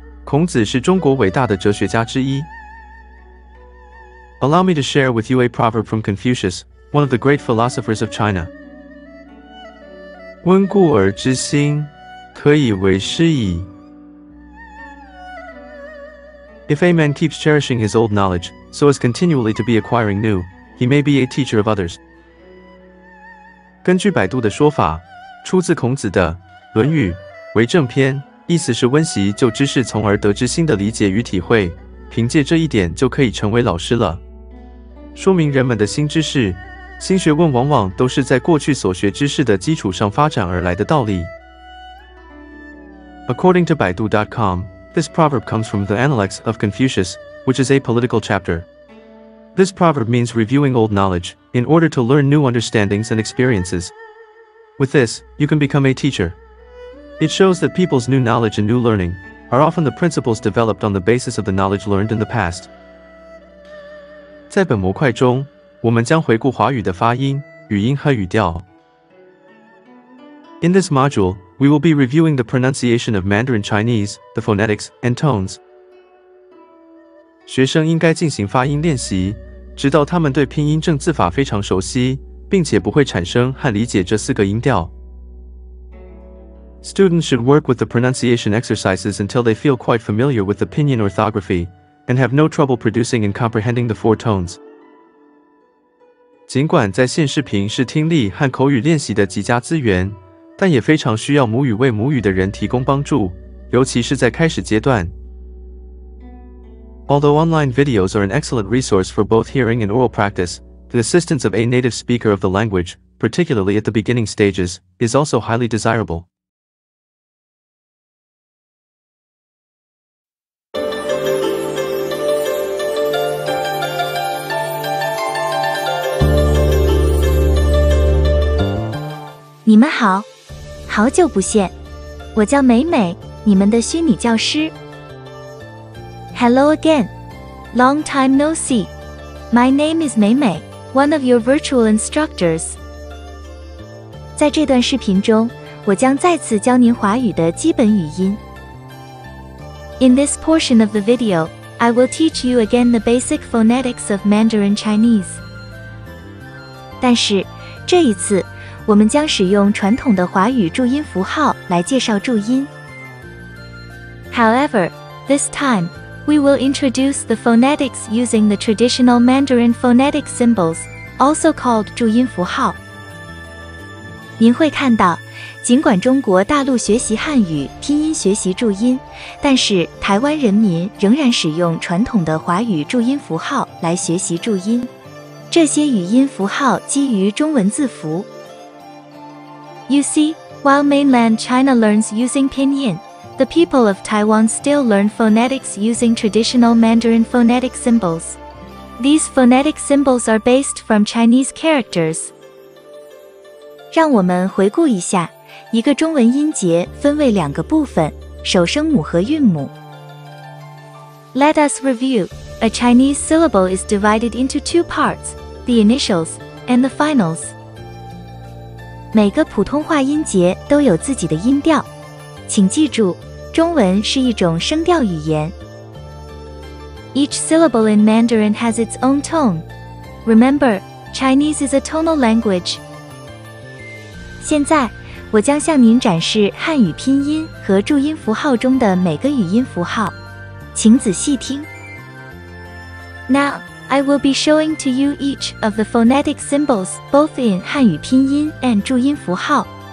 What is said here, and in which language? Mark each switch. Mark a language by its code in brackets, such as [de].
[zh] 让我与您分享孔子的一句谚语。孔子是中国伟大的哲学家之一。 [en] Allow me to share with you a proverb from Confucius, one of the great philosophers of China. [zh] 温故而知新,可以为师矣. [en] If a man keeps cherishing his old knowledge, so as continually to be acquiring new, he may be a teacher of others. [zh] 根据百度的说法,出自孔子的《论语》为正篇,意思是温习旧知识从而得知新的理解与体会,凭借这一点就可以成为老师了。说明人们的新知识,新学问往往都是在过去所学知识的基础上发展而来的道理。 [en] According to Baidu.com, this proverb comes from the Analects of Confucius, which is a political chapter. This proverb means reviewing old knowledge in order to learn new understandings and experiences. With this, you can become a teacher. It shows that people's new knowledge and new learning are often the principles developed on the basis of the knowledge learned in the past. [zh] 在本模块中，我们将回顾华语的发音、语音和语调。 [en] In this module, we will be reviewing the pronunciation of Mandarin Chinese, the phonetics, and tones. [zh] 学生应该进行发音练习，直到他们对拼音正字法非常熟悉，并且不会产生和理解这四个音调。 [en] Students should work with the pronunciation exercises until they feel quite familiar with the pinyin orthography and have no trouble producing and comprehending the four tones. [zh] 尽管在线视频是听力和口语练习的极佳资源，但也非常需要母语为母语的人提供帮助，尤其是在开始阶段。 [en] Although online videos are an excellent resource for both hearing and oral practice, the assistance of a native speaker of the language, particularly at the beginning stages, is also highly desirable. Hello, [zh] 好久不见，我叫美美，你们的虚拟教师。 [en] Hello again, long time no see. My name is 美美, one of your virtual instructors. [zh] 在这段视频中，我将再次教您华语的基本语音。 [en] In this portion of the video, I will teach you again the basic phonetics of Mandarin Chinese. [zh] 但是，这一次我们将使用传统的华语注音符号来介绍注音。 [en] However, this time, we will introduce the phonetics using the traditional Mandarin phonetic symbols, also called 注音符号。 [zh] 您会看到，尽管中国大陆学习汉语，拼音学习注音，但是台湾人民仍然使用传统的华语注音符号来学习注音。这些语音符号基于中文字符。 [en] You see, while mainland China learns using pinyin, the people of Taiwan still learn phonetics using traditional Mandarin phonetic symbols. These phonetic symbols are based from Chinese characters. [zh] 让我们回顾一下，一个中文音节分为两个部分，首声母和韵母。 [en] Let us review. A Chinese syllable is divided into two parts, the initials and the finals. [zh] 每个普通话音节都有自己的音调，请记住，中文是一种声调语言。 [en] Each syllable in Mandarin has its own tone. Remember, Chinese is a tonal language. [zh] 现在，我将向您展示汉语拼音和注音符号中的每个语音符号，请仔细听。 [en] Now. I will be showing to you each of the phonetic symbols, both in 汉语拼音 and 注音符号.